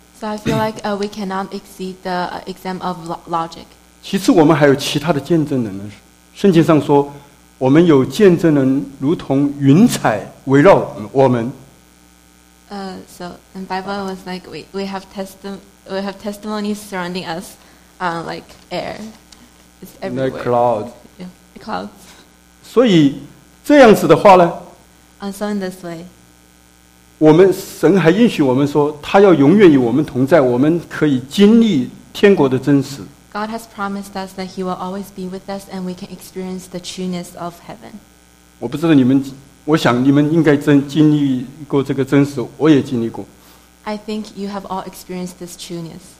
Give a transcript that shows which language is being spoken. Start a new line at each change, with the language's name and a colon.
English: So I feel like we cannot exceed the exam of logic.
Chinese: 其次我们还有其他的见证人呢，圣经上说我们有见证人如同云彩围绕我们。
English: So in Bible it was like we have testimonies surrounding us, like air. It's everywhere. Like clouds. Yeah, clouds.
Chinese: 所以这样子的话呢?
English: So in this way.
Chinese: 我们神还应许我们说，他要永远与我们同在，我们可以经历天国的真实。
English: God has promised us that He will always be with us, and we can experience the trueness of heaven.
Chinese: 我不知道你们，我想你们应该经历过这个真实，我也经历过。
English: I think you have all experienced this trueness.